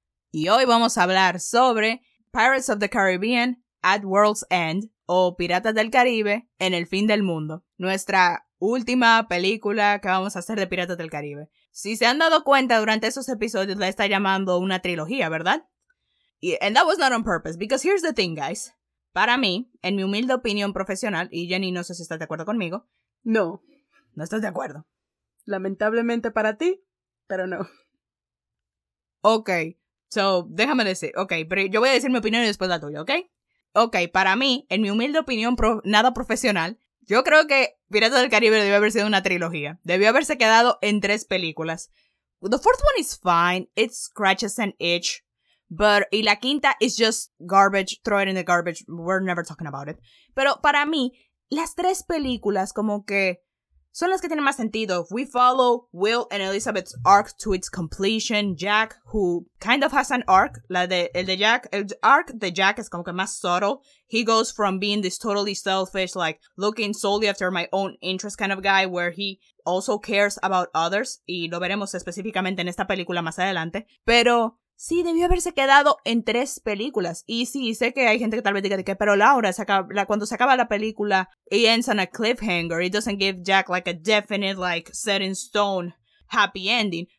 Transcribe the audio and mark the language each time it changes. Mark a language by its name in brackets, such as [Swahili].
[Spanish] Y hoy vamos a hablar sobre Pirates of the Caribbean at World's End o Piratas del Caribe en el fin del mundo. Nuestra última película que vamos a hacer de Piratas del Caribe. Si se han dado cuenta, durante esos episodios la está llamando una trilogía, ¿verdad? [English] And that was not on purpose, because here's the thing, guys. [Spanish] Para mí, en mi humilde opinión profesional, y Jenny, no sé si estás de acuerdo conmigo. No. No estás de acuerdo. Lamentablemente para ti, pero no. Ok, so déjame decir. Ok, pero yo voy a decir mi opinión y después la tuya, ¿ok? Ok, para mí, en mi humilde opinión nada profesional, yo creo que Piratas del Caribe debió haber sido una trilogía. Debió haberse quedado en tres películas. [English] The fourth one is fine, it scratches an itch. But, [Spanish] y la quinta [English] is just garbage, throw it in the garbage, we're never talking about it. [Spanish] Pero para mí, las tres películas como que son las que tienen más sentido. [English] We follow Will and Elizabeth's arc to its completion. Jack, who kind of has an arc, the arc [Spanish] de Jack es como que más [English] subtle. He goes from being this totally selfish, like looking solely after my own interest kind of guy, where he also cares about others. [Spanish] Y lo veremos específicamente en esta película más adelante. Pero sí, debió haberse quedado en tres películas. Y sí, sé que hay gente que tal vez diga de que, pero Laura, cuando se acaba la película, [English] it ends on a cliffhanger. It doesn't give Jack like a definite, like, set in stone happy ending.